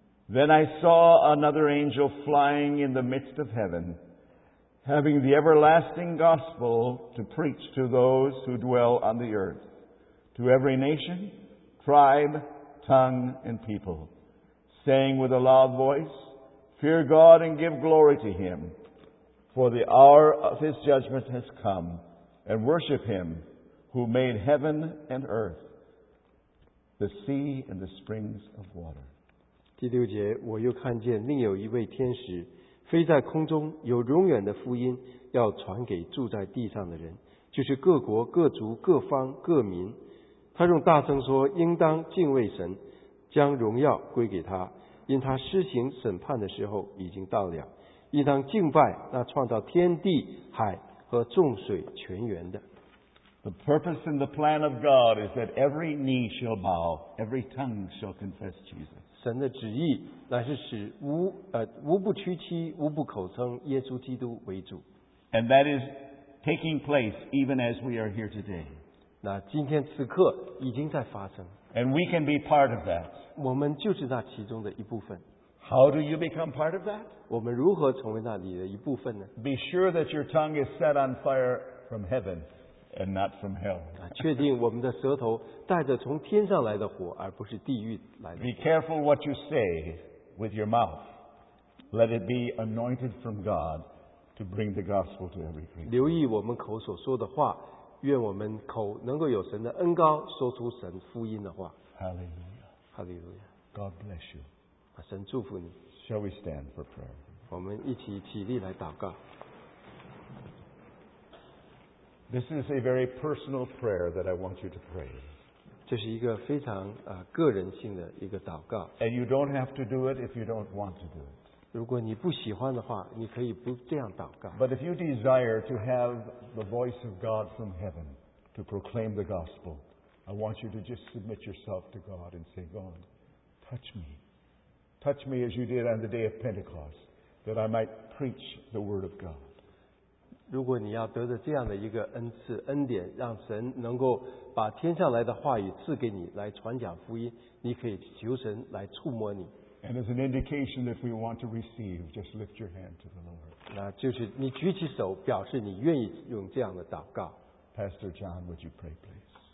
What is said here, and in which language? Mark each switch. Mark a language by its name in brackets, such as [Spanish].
[English] Then I saw another angel flying in the midst of heaven, having the everlasting gospel to preach to those who dwell on the earth, to every nation, tribe, tongue, and people, saying with a loud voice, Fear God and give glory to Him, for the hour of His judgment has come, and worship Him who made heaven and earth, the sea and the springs of water. [Chinese] 第六节我又看见另有一位天使飞在空中有永远的福音要传给住在地上的人就是各国各族各方各民他用大声说应当敬畏神将荣耀归给他因他施行审判的时候已经到了应当敬拜那创造天地海和众水泉源的 [English] The purpose and the plan of God is that every knee shall bow every tongue shall confess Jesus [Chinese] 神的旨意乃是使无不屈膝无不口称耶稣基督为主 [English] and that is taking place even as we are here today [Chinese] 那今天此刻已经在发生 [English] and we can be part of that [Chinese] 我们就是那其中的一部分 [English] how do you become part of that [Chinese] 我们如何成为那里的一部分呢 [English] be sure that your tongue is set on fire from heaven and not from hell. [Chinese] 确定我们的舌头带着从天上来的火而不是地狱来的火。 [English] Be careful what you say with your mouth. Let it be anointed from God to bring the gospel to every creature. [Chinese] 留意我们口所说的话愿我们口能够有神的恩膏说出神福音的话。 [English] Hallelujah. Hallelujah. God bless you. [Chinese] 神祝福你。 [English] Shall we stand for prayer? [Chinese] 我们一起起立来祷告。 [English] This is a very personal prayer that I want you to pray. [Chinese] 这是一个非常个人性的一个祷告。 [English] And you don't have to do it if you don't want to do it. [Chinese] 如果你不喜欢的话，你可以不这样祷告。 [English] But if you desire to have the voice of God from heaven to proclaim the gospel, I want you to just submit yourself to God and say, God, touch me. Touch me as you did on the day of Pentecost, that I might preach the word of God. [Chinese] 如果你要得着这样的一个恩赐恩典，让神能够把天上来的话语赐给你来传讲福音，你可以求神来触摸你。 [English] And as an indication that we want to receive, just lift your hand to the Lord. [Chinese] 那就是你举起手，表示你愿意用这样的祷告。 [English] Pastor John, would you pray, please?